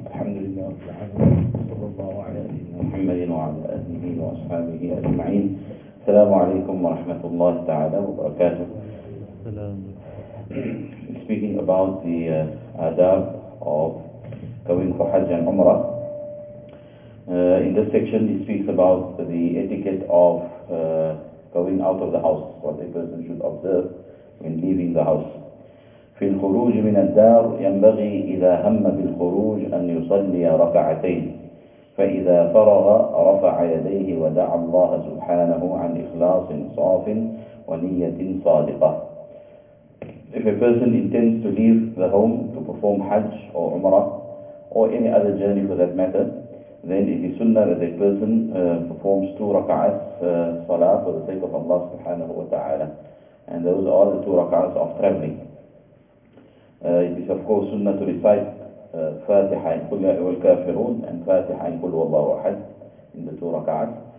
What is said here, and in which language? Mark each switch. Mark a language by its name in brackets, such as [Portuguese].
[Arabic] الحمد لله رب العالمين، صلى الله على سيدنا محمد وعلى اله واصحابه اجمعين. السلام عليكم ورحمه الله تعالى وبركاته. [English] Speaking about the adab of going for Hajj and Umrah. In this section he speaks about the etiquette of going out of the house, what a person should observe when leaving the house. [Arabic] في الخروج من الدار ينبغي إذا هم بالخروج أن يصلي ركعتين، فإذا فرغ رفع يديه ودعا الله سبحانه عن إخلاص صاف ونية صادقة. [English] If a person intends to leave the home to perform Hajj or Umrah or any other journey for that matter, then it is sunnah that a person performs two rak'ahs salah for the sake of Allah subhanahu wa ta'ala. And those are the two rak'ahs of traveling. It is of course sunnah to recite Fatiha in Qul Ya Ayyuhal Kafirun and Fatiha in Qul Huwallahu Ahad in the two rak'ahs.